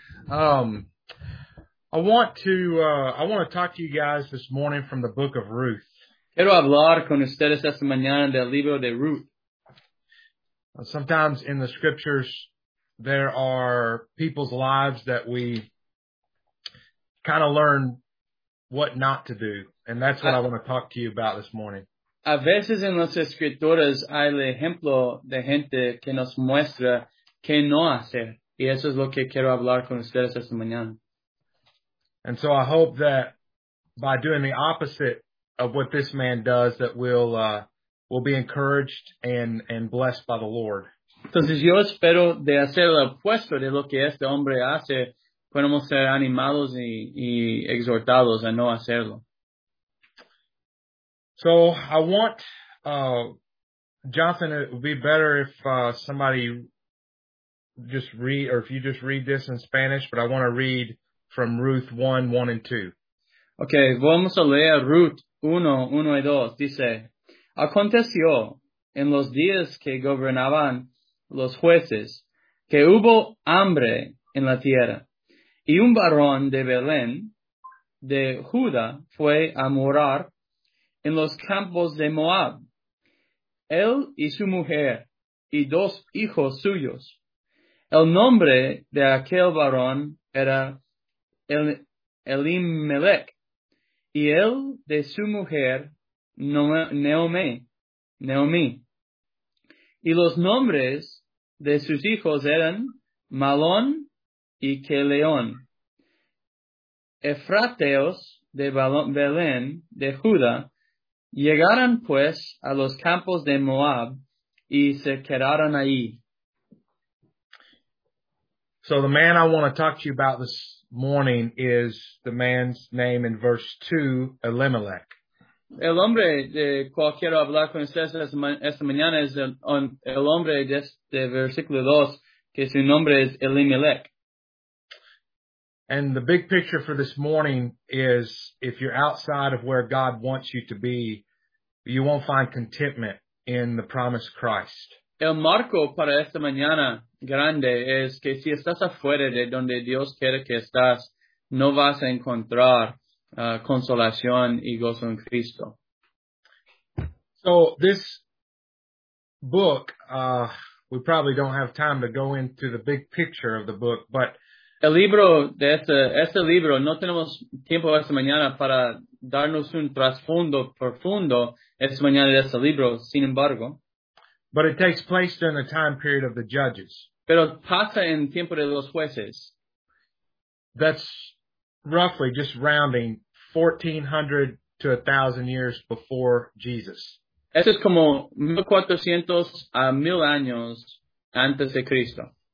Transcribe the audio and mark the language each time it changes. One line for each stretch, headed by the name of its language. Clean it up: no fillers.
English: I want to talk to you guys this morning from the book of Ruth.
Spanish: Quiero hablar con ustedes esta mañana del libro de Ruth.
English: Sometimes in the scriptures, there are people's lives that we kind of learn what not to do. And that's what I want to talk to you about this morning.
Spanish: A veces en las escrituras hay el ejemplo de gente que nos muestra qué no hacer. Y eso es lo que quiero hablar con ustedes esta mañana.
English: And so I hope that by doing the opposite of what this man does, that we'll be encouraged and blessed by the Lord.
Spanish: Entonces yo espero de hacer lo opuesto de lo que este hombre hace, podemos ser animados y exhortados a no hacerlo.
English: So I want, Jonathan, it would be better if somebody just read, or if you just read this in Spanish, but I want to read from Ruth 1:1-2.
Spanish: Okay, vamos a leer Ruth 1:1-2. Dice, aconteció en los días que gobernaban los jueces que hubo hambre en la tierra, y un varón de Belén de Judá fue a morar en los campos de Moab, él y su mujer y dos hijos suyos. El nombre de aquel varón era Elimelech, y él de su mujer Naomi. Y los nombres de sus hijos eran Malón y Keleón, Efrateos de Belén de Judá. Llegaron pues a los campos de Moab y se quedaron ahí.
English: So the man I want to talk to you about this morning is the man's name in verse 2, Elimelech.
Spanish: El hombre de cual quiero hablar con ustedes esta mañana es el hombre de este versículo 2, que su nombre es Elimelech.
English: And the big picture for this morning is, if you're outside of where God wants you to be, you won't find contentment in the promised Christ.
Spanish: El marco para esta mañana grande es que si estás afuera de donde Dios quiere que estás, no vas a encontrar consolación y gozo en Cristo.
English: So this book, we probably don't have time to go into the big picture of the book, but
Spanish: el libro de este libro, no tenemos tiempo esta mañana para darnos un trasfondo profundo esta mañana de este libro, sin embargo.
English: But it takes place during the time period of the judges.
Spanish: Pero pasa en tiempo de los jueces.
English: That's roughly, just rounding, 1,400 to 1,000 years before Jesus.
Spanish: Eso es como 1,400 a 1,000 años antes de Cristo.